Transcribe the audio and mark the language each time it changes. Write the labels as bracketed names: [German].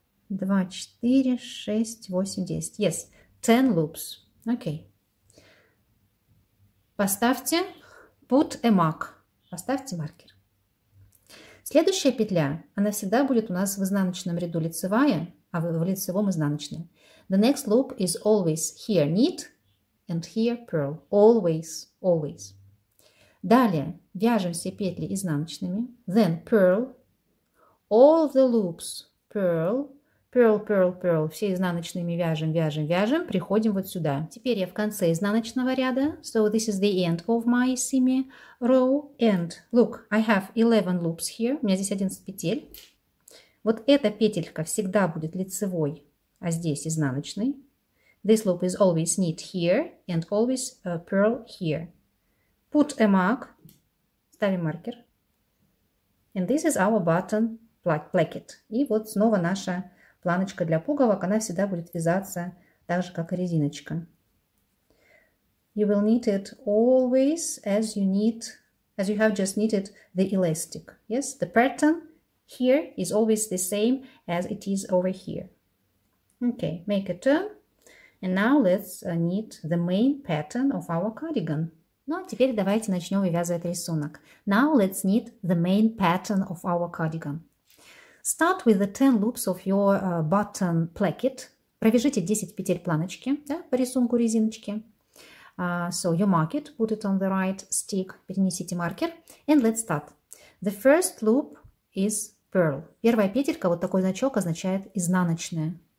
[English] 2, 4, 6, 8, 10. Yes. 10 loops. Okay. [Russian] Поставьте [English] put a mark. [Russian] Поставьте маркер. Следующая петля, она всегда будет у нас в изнаночном ряду лицевая, а в лицевом изнаночная. [English] The next loop is always here knit and here purl. Always, always. [Russian] Далее вяжем все петли изнаночными. [English] Then purl. All the loops purl. Purl, purl, purl. [Russian] Все изнаночными вяжем, вяжем, вяжем. Приходим вот сюда. Теперь я в конце изнаночного ряда. [English] So this is the end of my semi row. And look, I have 11 loops here. [Russian] У меня здесь 11 петель. Вот эта петелька всегда будет лицевой, а здесь изнаночной. [English] This loop is always knit here and always purl here. Put a mark. [Russian] Ставим маркер. [English] And this is our button placket. [Russian] И вот снова наша планочка для пуговок, она всегда будет вязаться так же, как и резиночка. [English] You will knit it always as you knit, as you have just knitted the elastic. Yes, the pattern here is always the same as it is over here. Okay, make a turn. And now let's knit the main pattern of our cardigan. [Russian] Ну, а теперь давайте начнем вывязывать рисунок. [English] Now let's knit the main pattern of our cardigan. Start with the 10 loops of your button placket. [Russian] Провяжите 10 петель планочки, да, по рисунку резиночки. [English] So you mark it, put it on the right stick, [Russian] перенесите маркер. [English] And let's start. The first loop is purl. [Russian] Первая петелька, вот такой значок, означает изнаночная.